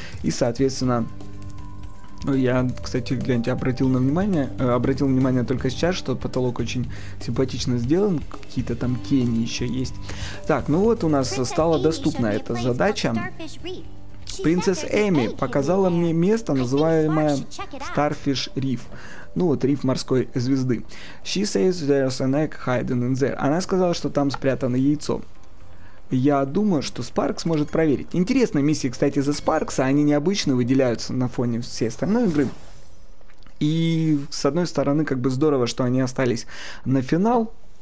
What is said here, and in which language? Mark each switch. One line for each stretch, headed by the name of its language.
Russian: И, соответственно, я, кстати, гляньте, обратил внимание только сейчас, что потолок очень симпатично сделан, какие-то там тени еще есть. Так, ну вот у нас стала доступна эта задача. Принцесс Эми показала мне место, называемое Starfish Reef. Ну вот, риф морской звезды.
English: She says there's an egg hiding in there.
Russian: Она сказала, что там спрятано яйцо. Я думаю, что Спаркс может проверить. Интересные миссии, кстати, за Спаркса. Они необычно выделяются на фоне всей остальной игры. И, с одной стороны, как бы здорово, что они остались на финал.